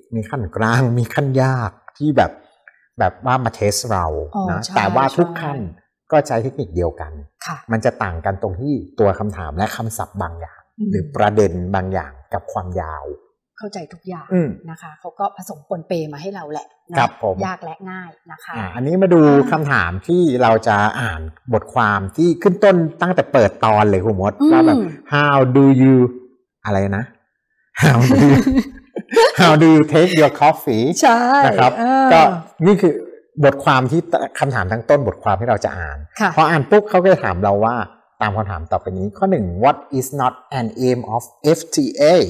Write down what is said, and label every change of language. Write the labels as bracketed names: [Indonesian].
[Thai] มีขั้นกลางมีขั้นยากที่แบบว่ามาเทสเรานะแต่ว่าทุกขั้นก็ใช้เทคนิคเดียวกันมันจะต่างกันตรงที่ตัวคำถามและคำศัพท์บางอย่างหรือประเด็นบางอย่างกับความยาว เข้าใจทุกอย่างนะคะเขาก็ผสมปนเปมาให้เราแหละ ครับผม ยากและง่ายนะคะ อันนี้มาดูคำถามที่เราจะอ่านบทความที่ขึ้นต้นตั้งแต่เปิดตอนเลยคุณมดว่ าแบบ [English] how do you [Thai] อะไรนะ [English] how do you take your coffee [Thai] ใช่ นะครับก็นี่คือบทความที่คำถามทั้งต้นบทความที่เราจะอ่านพออ่านปุ๊บเขาก็ถามเราว่าตามคำถามต่อไปนี้ข้อ1 [English] what is not an aim of FTA